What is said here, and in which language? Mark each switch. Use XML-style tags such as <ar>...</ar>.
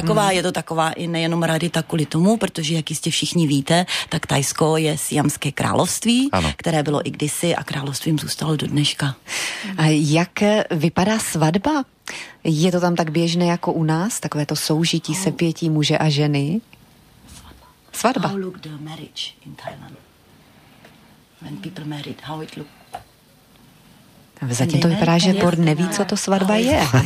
<cs>Je to taková i nejenom radita kvůli tomu, protože jak jistě všichni víte, tak Tajsko je siamské království, ano, které bylo i kdysi a královstvím zůstalo do dneška. A jak vypadá svatba? Je to tam tak běžné jako u nás, takové to soužití se pětí muže a ženy? Svatba.</cs> <en>How look the marriage in Thailand? When people married, how it look?</en> <cs>Zatím to vypadá, že Bord neví, co to svatba je.</cs>